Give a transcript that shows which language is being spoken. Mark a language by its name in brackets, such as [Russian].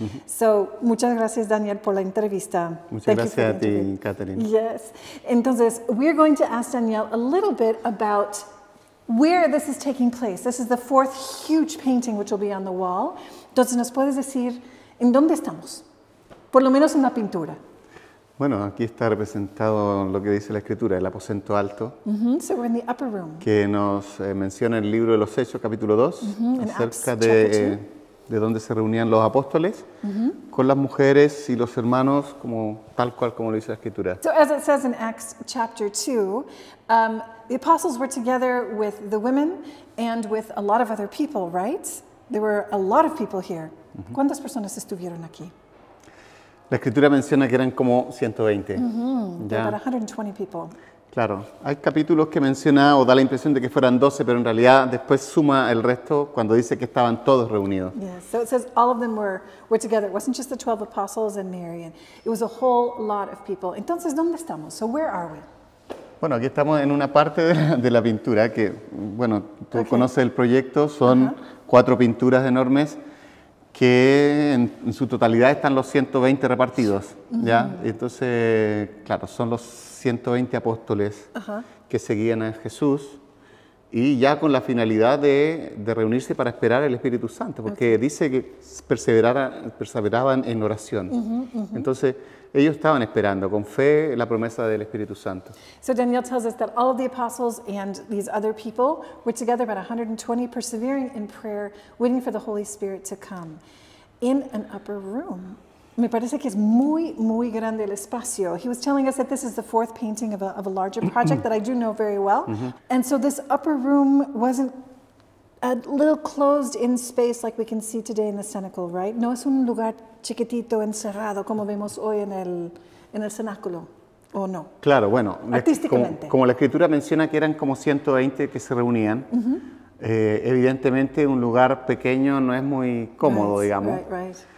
[Spanish] Mm-hmm. So, muchas gracias, Daniel, por la entrevista. Muchas gracias a ti, Catherine. [English] Yes. Entonces, we're going to ask Daniel a little bit about where this is taking place. This is the fourth huge painting which will be on the wall. [Spanish] Entonces, ¿nos puedes decir en dónde estamos? Por lo menos en la pintura. Bueno, aquí está representado lo que dice la escritura, el aposento alto. [English] Mm-hmm. So we're in the upper room. [Spanish] Que nos menciona el libro de los Hechos, capítulo 2, mm-hmm. acerca de donde se reunían los apóstoles mm-hmm. con las mujeres y los hermanos, como tal cual como lo dice la escritura. [English] So as it says in Acts chapter 2, the apostles were together with the women and with a lot of other people, right? There were a lot of people here. Mm-hmm. [Spanish] ¿Cuántas personas estuvieron aquí? La escritura menciona que eran como 120. [English] Mm-hmm. Yeah. About 120 people. [Spanish] Claro. Hay capítulos que menciona o da la impresión de que fueran 12, pero en realidad después suma el resto cuando dice que estaban todos reunidos. [English] Yes. So it says all of them were together. It wasn't just the 12 apostles and Mary. And it was a whole lot of people. [Spanish] Entonces, ¿dónde estamos? [English] So where are we? [Spanish] Bueno, aquí estamos en una parte de la pintura que, bueno, tú okay. conoces el proyecto. Son uh-huh. cuatro pinturas enormes. Que en su totalidad están los 120 repartidos, mm-hmm. ¿ya? Entonces, claro, son los 120 apóstoles uh-huh. que seguían a Jesús y ya con la finalidad de reunirse para esperar el Espíritu Santo, porque okay. dice que perseveraban en oración. Mm-hmm, mm-hmm. Entonces, ellos estaban esperando con fe la promesa del Espíritu Santo. [English] So Daniel tells us that all of the apostles and these other people were together about 120 persevering in prayer, waiting for the Holy Spirit to come in an upper room. [Spanish] Me parece que es muy, muy grande el espacio. [English] He was telling us that this is the fourth painting of a larger project that I do know very well. Mm-hmm. And so this upper room wasn't a little closed in space like we can see today in the cenacle, right? [Spanish] No es un lugar chiquitito, encerrado, como vemos hoy en el cenáculo, ¿o no? Claro, bueno. Artísticamente. Como la escritura menciona que eran como 120 que se reunían, uh-huh. Evidentemente un lugar pequeño no es muy cómodo, [English] right, [Spanish] digamos. [English] Right, right.